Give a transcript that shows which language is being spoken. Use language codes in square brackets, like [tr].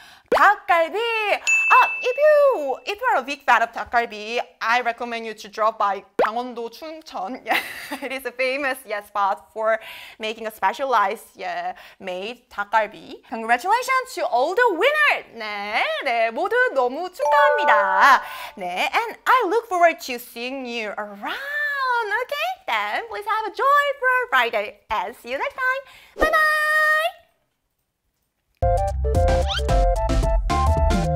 [ko] 닭갈비! [en] If you are a big fan of 닭갈비, I recommend you to drop by 강원도 춘천. Yeah, it is a famous spot for making a specialized made 닭갈비. Congratulations to all the winners! [ko] 네, 모두 너무 축하합니다. [en] 네, and I look forward to seeing you around. Okay, then please have a joyful Friday and see you next time.